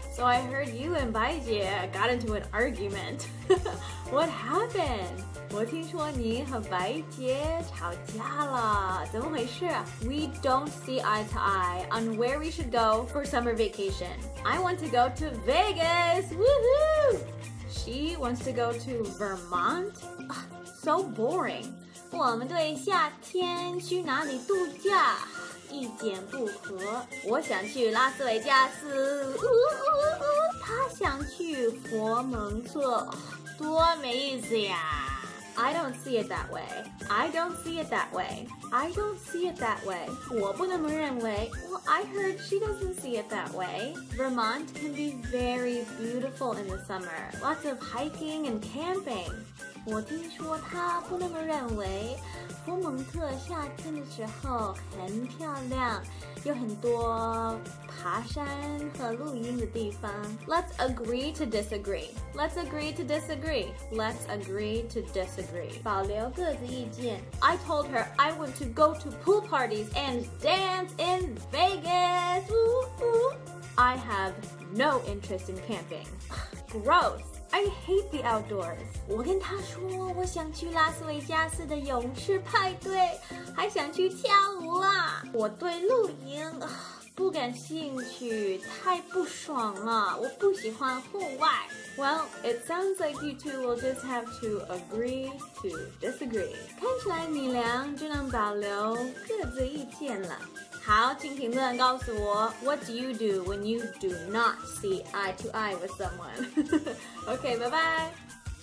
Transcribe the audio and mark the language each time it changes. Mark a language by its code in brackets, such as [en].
[en] So I heard you and 白洁 got into an argument. What happened? [zh] 我听说你和白杰吵架了，怎么回事？ [en] We don't see eye to eye on where we should go for summer vacation. I want to go to Vegas! Woohoo! She wants to go to Vermont? So boring. [zh] 我们对夏天去哪里度假意见不合。我想去拉斯维加斯。他想去佛蒙特。多没意思呀。 [en] I don't see it that way. I don't see it that way. I don't see it that way. [zh] 我不那么认为。 [en] Well, I heard she doesn't see it that way. Vermont can be very beautiful in the summer. Lots of hiking and camping. [zh] 我听说她不那么认为。佛蒙特夏天的时候很漂亮，有很多爬山和露营的地方。 [en] Let's agree to disagree. Let's agree to disagree. Let's agree to disagree. [zh] 保留各自意见。 [en] I told her I want to go to pool parties and dance in Vegas. Ooh, ooh. I have no interest in camping. Gross. I hate the outdoors. [zh] 我跟他说我想去拉斯维加斯的泳池派对，还想去跳舞啦。我对露营不感兴趣，太不爽了，我不喜欢户外。 [en] Well, it sounds like you two will just have to agree to disagree. [zh] 看起来你俩只能保留各自意见了。好，请评论告诉我 [en] What do you do when you do not see eye to eye with someone? Okay, bye bye!